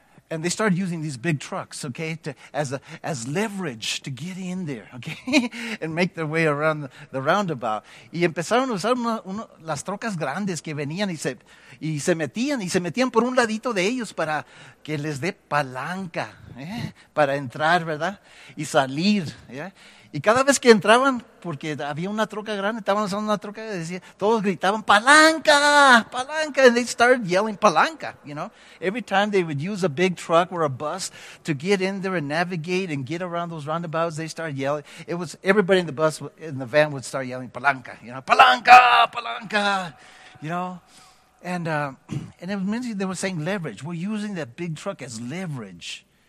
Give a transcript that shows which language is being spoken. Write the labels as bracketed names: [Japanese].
[English] And they started using these big trucks, okay, as leverage to get in there, okay, and make their way around the roundabout. [Spanish] Y empezaron a usar las trocas grandes que venían y se metían por un ladito de ellos para que les dé palanca, para entrar, ¿verdad? Y salir, ¿eh? Y cada vez que entraban, porque había una troca grande, estaban usando una troca, todos gritaban, ¡palanca! [English] ¡Palanca! And they started yelling, ¡palanca! You know, every time they would use a big truck or a bus to get in there and navigate and get around those roundabouts, they started yelling. It was, everybody in the bus, in the van would start yelling, ¡palanca! You know, ¡palanca! ¡Palanca! You know, and it was mentioned, they were saying leverage. We're using that big truck as leverage